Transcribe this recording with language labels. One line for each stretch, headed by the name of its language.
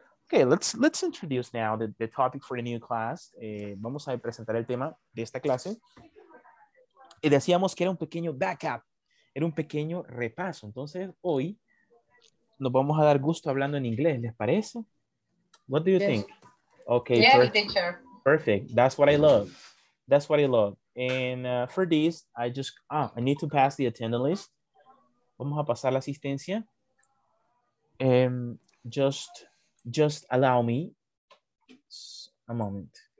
English: Okay, let's introduce now the topic for the new class.
Spanish: Vamos a presentar el tema de esta clase. Y decíamos que era un pequeño backup, era un pequeño repaso. Entonces, hoy nos vamos a dar gusto hablando en inglés, ¿les parece?
English: What do you think? Okay, yeah, teacher. Perfect. That's what I love. And for this, I need to pass the attendance list.
Spanish: Vamos a pasar la asistencia.
English: Just allow me a moment.